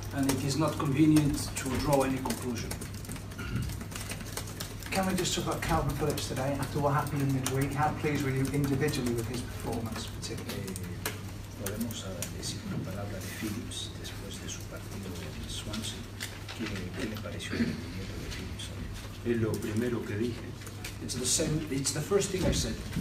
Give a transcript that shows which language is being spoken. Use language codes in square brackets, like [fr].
[en] And it is not convenient to draw any conclusion. Can we just talk about Calvin Phillips today, after what happened in Madrid? How pleased were you individually with his performance, particularly? [es] Podemos decir una palabra de Phillips después de su partido en Swansea. ¿Qué le pareció el rendimiento de Phillips? Es lo primero que dije. [en] It's the first thing I said.